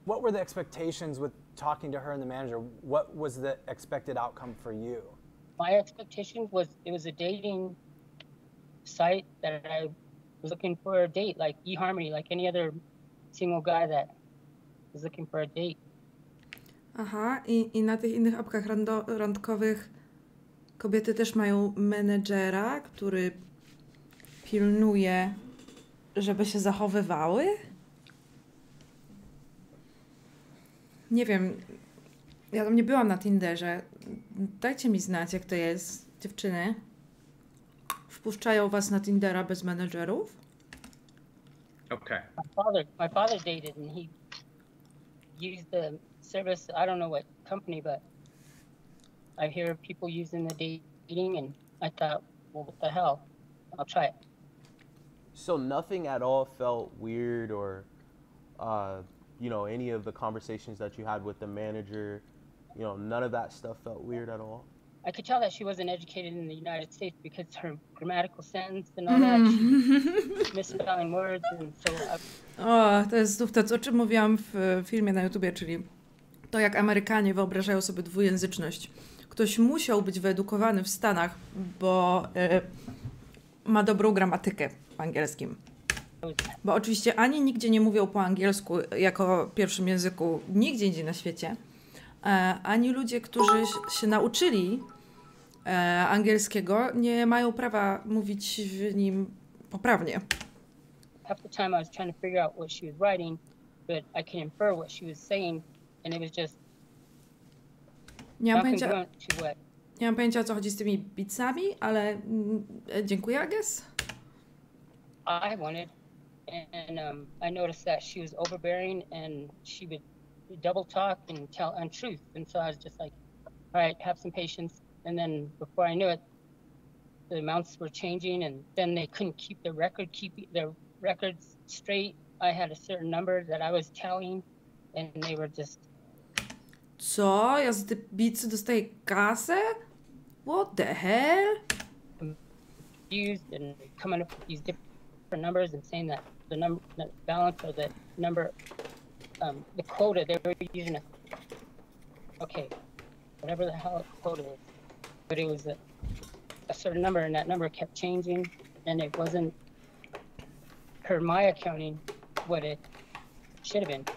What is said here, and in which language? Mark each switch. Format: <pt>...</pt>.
<en>What were the expectations with talking to her and the manager? What was the expected outcome for you? My expectation was it was a dating site that I was looking for a date, like eHarmony, like any other single guy that was looking for a date.</en> <pl>Aha, i na tych innych apkach randkowych kobiety też mają menedżera, który pilnuje, żeby się zachowywały? Nie wiem, ja tam nie byłam na Tinderze. Dajcie mi znać, jak to jest, dziewczyny. Wpuszczają was na Tindera bez menedżerów?</pl> <en>Okay. My father dated and he used the service, I don't know what company, but I hear people using the dating and I thought, well, what the hell, I'll try it. So nothing at all felt weird or, you know, any of the conversations that you had with the manager, you know, none of that stuff felt weird at all? I could tell that she wasn't educated in the United States because her grammatical sentence and all that, she misspelling words and so on.</en> <pl>Oh, to jest znów to, o czym mówiłam w filmie na YouTubie, czyli to, jak Amerykanie wyobrażają sobie dwujęzyczność. Ktoś musiał być wyedukowany w Stanach, bo ma dobrą gramatykę. Angielskim. Bo oczywiście ani nigdzie nie mówią po angielsku jako pierwszym języku nigdzie indziej na świecie, ani ludzie, którzy się nauczyli angielskiego, nie mają prawa mówić w nim poprawnie.</pl> <en>Half the time I was trying to figure out what she was writing, but I can infer what she was saying, and it was just</en> <pl>nie mam pojęcia, o co chodzi z tymi bitsami, ale dziękuję,</pl> <en>I guess. I wanted, and I noticed that she was overbearing, and she would double talk and tell untruths. And so I was just like, all right, have some patience. And then before I knew it, the amounts were changing, and then they couldn't keep their records straight. I had a certain number that I was telling, and they were just...</en> <pl>Co? Ja z tej bicy dostaję kasę?</pl> <en>What the hell? Confused and coming up with these different for numbers and saying that the number, the balance or the number, the quota, they were using a, okay, whatever the hell the quota is, but it was a certain number and that number kept changing and it wasn't, per my accounting, what it should have been.</en>